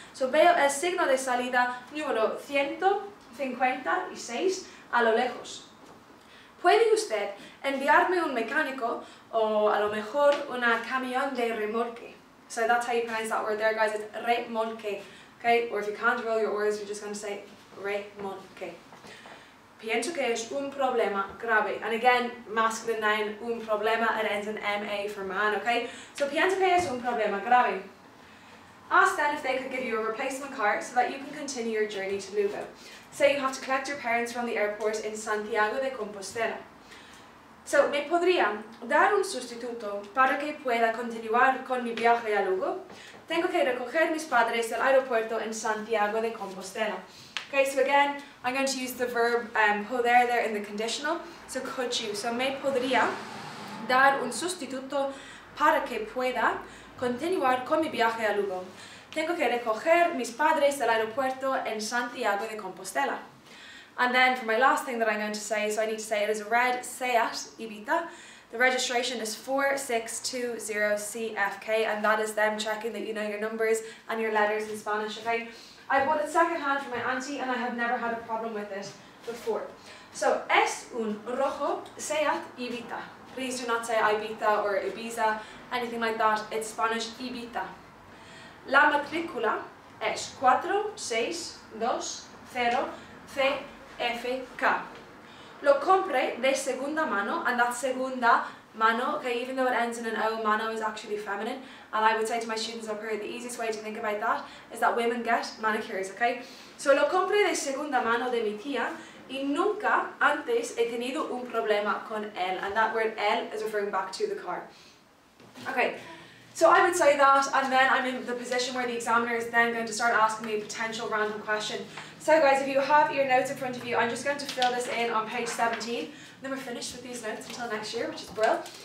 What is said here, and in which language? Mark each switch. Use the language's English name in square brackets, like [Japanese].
[Spanish] So veo el signo de salida número 156 a lo lejos. ¿Puede usted enviarme un mecánico o a lo mejor una camión de remolque? [English] So that's how you pronounce that word there, guys. It's remolque, okay? Or if you can't roll your words, you're just going to say remolque. [Spanish] Pienso que es un problema grave. [English] And again, masculine noun, un problema, it ends in M-A for man, okay? So [Spanish] pienso que es un problema grave. [English] Ask then if they could give you a replacement car so that you can continue your journey to Lugo. Say you have to collect your parents from the airport in Santiago de Compostela. [Spanish] So, ¿me podría dar un sustituto para que pueda continuar con mi viaje a Lugo? Tengo que recoger mis padres del aeropuerto en Santiago de Compostela. [English] Okay, so again, I'm going to use the verb poder there in the conditional. So, could you? [Spanish] So, ¿me podría dar un sustituto para que pueda continuar con mi viaje a Lugo? Tengo que recoger mis padres del aeropuerto en Santiago de Compostela. [English] And then for my last thing that I'm going to say, so I need to say it is a red Seat Ibiza. The registration is 4620CFK, and that is them checking that you know your numbers and your letters in Spanish, okay? I bought it secondhand from my auntie and I have never had a problem with it before. So, [Spanish] es un rojo Seat Ibiza. [English] Please do not say Ibiza or Ibiza, anything like that. It's Spanish Ibiza. [Spanish] La matrícula es 4620CFK. Lo compré de segunda mano, [English] and that segunda mano, okay, even though it ends in an O, mano is actually feminine. And I would say to my students up here, the easiest way to think about that is that women get manicures, okay? [Spanish] So lo compré de segunda mano de mi tía, y nunca antes he tenido un problema con él. [English] And that word él is referring back to the car. Okay. So I would say that, and then I'm in the position where the examiner is then going to start asking me a potential random question. So guys, if you have your notes in front of you, I'm just going to fill this in on page 17, and then we're finished with these notes until next year, which is brilliant.